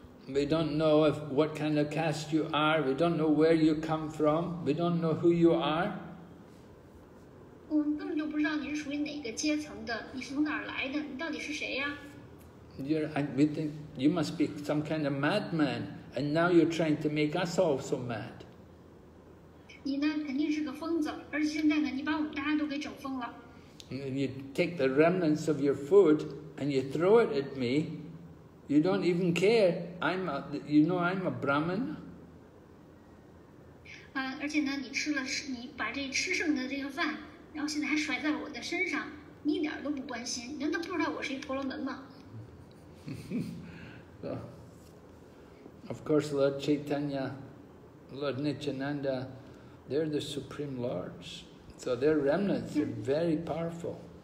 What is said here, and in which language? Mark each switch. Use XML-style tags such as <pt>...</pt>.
<en>We don't know if, what kind of caste you are, we don't know where you come from, we don't know who you are.</en> <zh>我们根本就不知道你是属于哪个阶层的,你是从哪儿来的,你到底是谁呀?</zh> <en>We think you must be some kind of madman, and now you're trying to make us all so mad.</en> <zh>你呢,肯定是个疯子,而且现在呢,你把我们大家都给整疯了。</zh> <en>You take the remnants of your food and you throw it at me. You don't even care. I'm a Brahmin.</en> <zh>而且呢,你把这吃剩的这个饭,然后现在还甩在我的身上,你一点都不关心,难道不知道我是一婆罗门吗?</zh> <en>Of course, Lord Chaitanya, Lord Nityananda, they're the Supreme Lords. So their remnants are very powerful.</en>